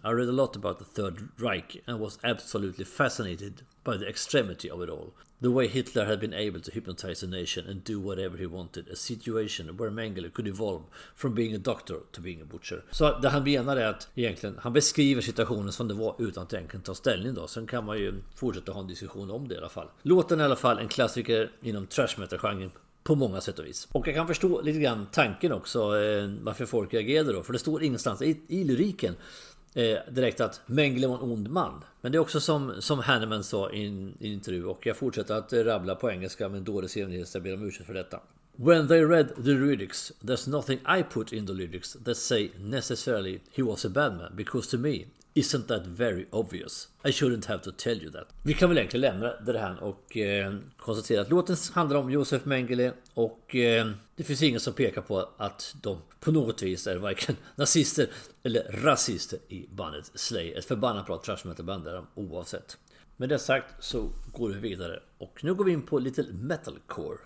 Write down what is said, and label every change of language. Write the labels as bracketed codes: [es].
[en] I read a lot about the Third Reich and was absolutely fascinated by the extremity of it all. The way Hitler had been able to hypnotize a nation and do whatever he wanted. A situation where Mengele could evolve from being a doctor to being a butcher. [sv] Så det han menar är att egentligen han beskriver situationen som det var utan att egentligen ta ställning då. Sen kan man ju fortsätta ha en diskussion om det i alla fall. Låten i alla fall en klassiker inom thrash metal-genren på många sätt och vis. Och jag kan förstå lite grann tanken också varför folk reagerade då. För det står ingenstans i lyriken direkt att Mengele var en ond man. Men det är också som Hanneman sa i en intervju, och jag fortsätter att rabbla på engelska med en dålig senhet, så jag ber om ursäkt för detta. [en] When they read the lyrics, there's nothing I put in the lyrics that say necessarily he was a bad man, because to me isn't that very obvious? I shouldn't have to tell you that. [sv] Vi kan väl egentligen lämna det här och konstatera att låten handlar om Josef Mengele, och det finns ingen som pekar på att de på något vis är varken nazister eller rasister i bandet Slay. Ett förbannat bra trash metal band där de oavsett. Med det sagt så går vi vidare, och nu går vi in på lite metalcore.